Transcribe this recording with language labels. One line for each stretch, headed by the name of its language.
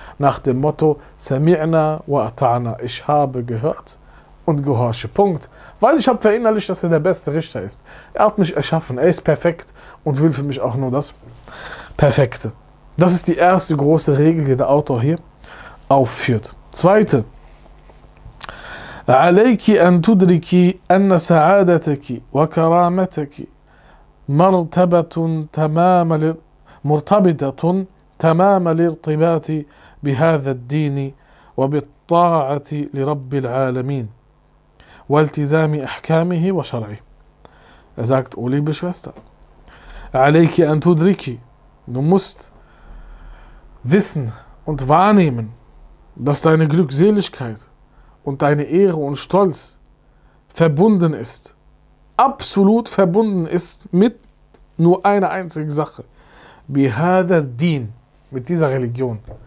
German: Nach dem Motto,
Arabic: Sami'na wa ata'na,
German: ich habe gehört und gehorche. Punkt. Weil ich habe verinnerlicht, dass er der beste Richter ist. Er hat mich erschaffen, er ist perfekt und will für mich auch nur das Perfekte. Das ist die erste große Regel, die der Autor hier aufführt. Zweite.
Arabic: عليك أن تدركي أن سعادتك وكرامتك مرتبطة تمام الارتباط بهذا الدين وبالطاعة لرب العالمين والتزام أحكامه وشرعه.
German: Er sagt, O liebe Schwester,
Arabic: عليك أن تدركي,
German: du musst wissen und wahrnehmen, dass deine Glückseligkeit und deine Ehre und Stolz verbunden ist, absolut verbunden ist mit nur einer einzigen Sache,
Arabic: بهذا الدين,
German: mit dieser Religion.